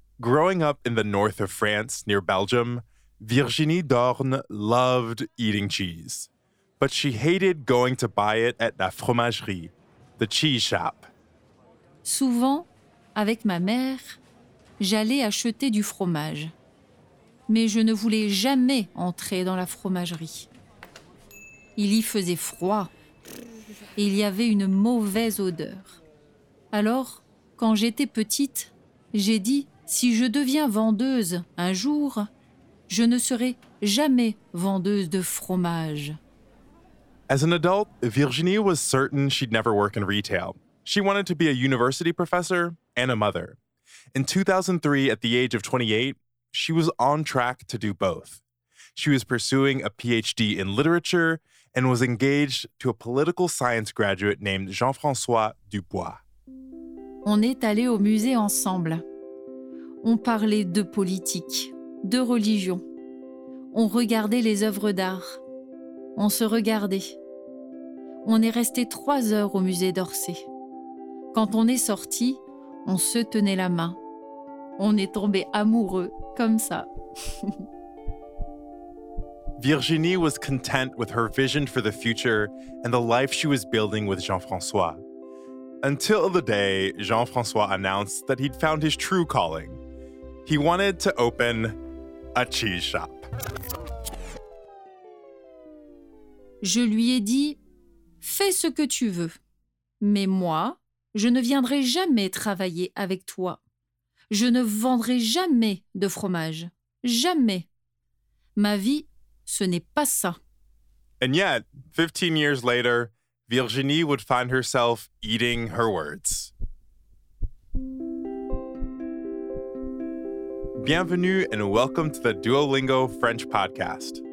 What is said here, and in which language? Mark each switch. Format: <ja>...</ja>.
<en>Growing up in the north of France near Belgium, Virginie Dorn loved eating cheese, but she hated going to buy it at La Fromagerie, the cheese shop.</en> <fr>Souvent, avec ma mère, j'allais acheter du fromage. Mais je ne voulais jamais entrer dans la fromagerie. Il y faisait froid et il y avait une mauvaise odeur. Alors, quand j'étais petite, j'ai dit, si je deviens vendeuse un jour, je ne serai jamais vendeuse de fromage.</fr> <en>As an adult, Virginie was certain she'd never work in retail. She wanted to be a university professor and a mother. In 2003, at the age of 28, she was on track to do both. She was pursuing a PhD in literature and was engaged to a political science graduate named Jean-François Dubois.</en> <fr>On est allé au musée ensemble. On parlait de politique, de religion. On regardait les œuvres d'art. On se regardait. On est resté 3 heures au musée d'Orsay. Quand on est sorti, on se tenait la main. On est tombé amoureux, comme ça.</fr> <en>Virginie was content with her vision for the future and the life she was building with Jean-François. Until the day Jean-François announced that he'd found his true calling. He wanted to open a cheese shop.</en> <fr>Je lui ai dit, fais ce que tu veux. Mais moi, je ne viendrai jamais travailler avec toi. Je ne vendrai jamais de fromage. Jamais. Ma vie, ce n'est pas ça.</fr> <en>And yet, 15 years later, Virginie would find herself eating her words. Bienvenue and welcome to the Duolingo French podcast.</en>